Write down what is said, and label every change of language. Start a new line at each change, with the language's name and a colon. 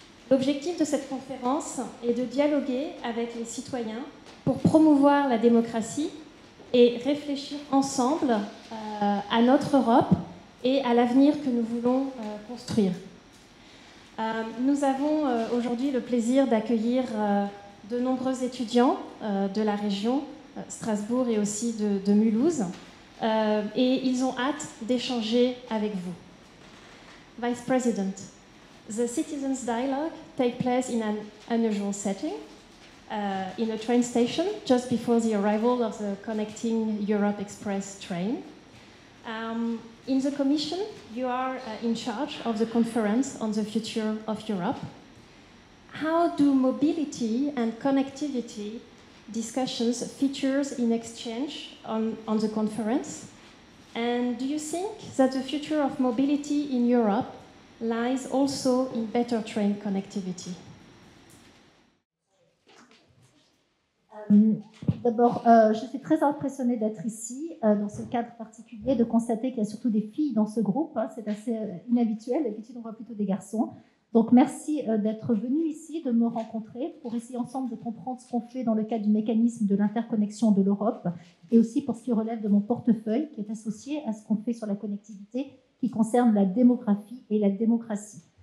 French: L'objectif de cette conférence est de dialoguer avec les citoyens pour promouvoir la démocratie et réfléchir ensemble à notre Europe et à l'avenir que nous voulons construire. Nous avons aujourd'hui le plaisir d'accueillir de nombreux étudiants de la région Strasbourg et aussi de Mulhouse, et ils ont hâte d'échanger avec vous.
English: Vice President, the citizens' dialogue takes place in an unusual setting, in a train station, just before the arrival of the Connecting Europe Express train. In the Commission, you are in charge of the conference on the future of Europe. How do mobility and connectivity discussions features in exchange on the conference? And do you think that the future of mobility in Europe lies also in better train connectivity?
French: D'abord, je suis très impressionnée d'être ici, dans ce cadre particulier, de constater qu'il y a surtout des filles dans ce groupe. Hein, c'est assez inhabituel, d'habitude on voit plutôt des garçons. Donc merci d'être venue ici, de me rencontrer, pour essayer ensemble de comprendre ce qu'on fait dans le cadre du mécanisme de l'interconnexion de l'Europe, et aussi pour ce qui relève de mon portefeuille, qui est associé à ce qu'on fait sur la connectivité, qui concerne la démographie et la démocratie.